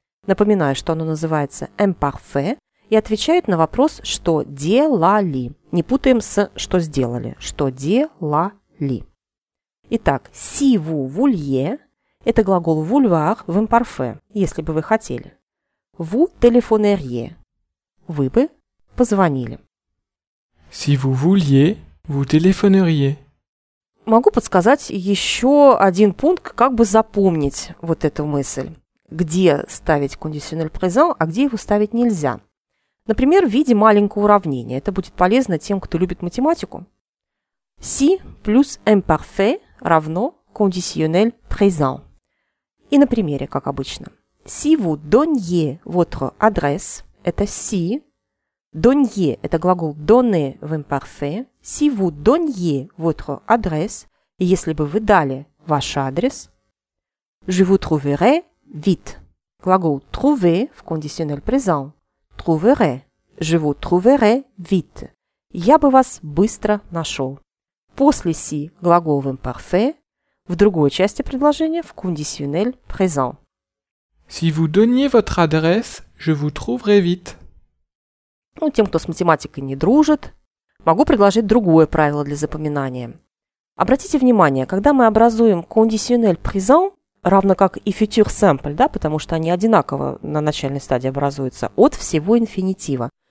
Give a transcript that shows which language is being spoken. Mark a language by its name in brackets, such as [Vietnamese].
[Russian] Напоминаю, что оно называется «imparfait», и отвечает на вопрос «что делали?». Не путаем с «что сделали?». «Что делали?». Итак, «si vous vouliez» – это глагол «vouloir» в imparfait, если бы вы хотели. «Vous téléphoneriez» – вы бы позвонили. [French] «Si vous vouliez, vous téléphoneriez». [Russian] Могу подсказать еще один пункт, как бы запомнить вот эту мысль. Где ставить conditionnel présent, а где его ставить нельзя. Например, в виде маленького уравнения. Это будет полезно тем, кто любит математику. [French] Si plus imparfait равно conditionnel présent. [Russian] И на примере, как обычно. [French] Si vous donniez votre adresse, это si. [Russian] Donniez – это глагол donner в imparfait. [French] Si vous donniez votre adresse, если бы вы дали ваш адрес, je vous trouverai vite. [Russian] Глагол trouver в conditionnel présent. [French] Trouverai. Je vous trouverai vite. Я бы вас быстро нашел. [Russian] После си глагол в imparfait, в другой части предложения в conditionnel présent. [French] Si vous donniez votre adresse, je vous trouverai vite. [Russian] Ну, тем, кто с математикой не дружит, могу предложить другое правило для запоминания. Обратите внимание, когда мы образуем conditionnel présent, равно как и future simple, да, потому что они одинаково на начальной стадии образуются, от всего инфинитива.